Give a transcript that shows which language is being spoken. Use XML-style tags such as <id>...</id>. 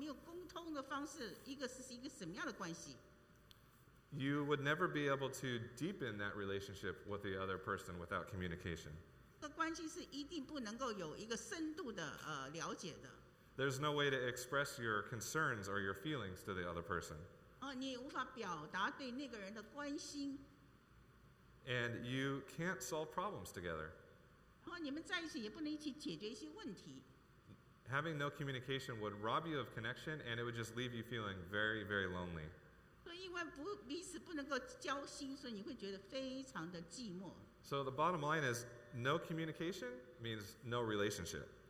<zh>你可以想象一个关系如果没有沟通的方式，一个是一个什么样的关系？</zh> <en>You would never be able to deepen that relationship with the other person without communication.</en> <zh>这个关系是一定不能够有一个深度的了解的。</zh> <en>There's no way to express your concerns or your feelings to the other person.</en> <zh>你无法表达对那个人的关心。</zh> <en>And you can't solve problems together.</en> <zh>你们在一起也不能一起解决一些问题。</zh> <en>Having no communication would rob you of connection and it would just leave you feeling very, very lonely.</en> <zh>因为彼此不能够交心，所以你会觉得非常的寂寞。</zh> <en>So the bottom line is, no communication means no relationship.</en>